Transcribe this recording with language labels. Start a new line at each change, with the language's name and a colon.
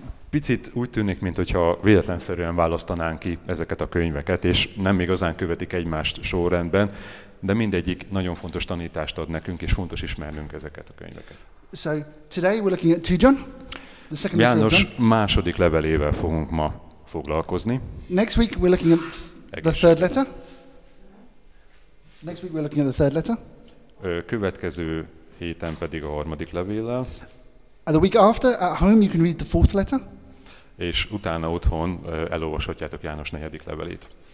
Hungarian: Picit úgy tűnik, mintha véletlenszerűen választanánk ki ezeket a könyveket, és nem igazán követik egymást sorrendben, de mindegyik nagyon fontos tanítást ad nekünk, és fontos ismernünk ezeket a könyveket.
English: So today we're looking at 2 John, the second letter
Hungarian: János
English: of John.
Hungarian: Második levelével fogunk ma foglalkozni.
English: Next week we're looking at the third letter. Next week we're looking at the third letter.
Hungarian: Következő héten pedig a harmadik levéllel.
English: And the week after, at home, you can read the fourth letter.
Hungarian: És utána otthon elolvashatjátok János negyedik levelét.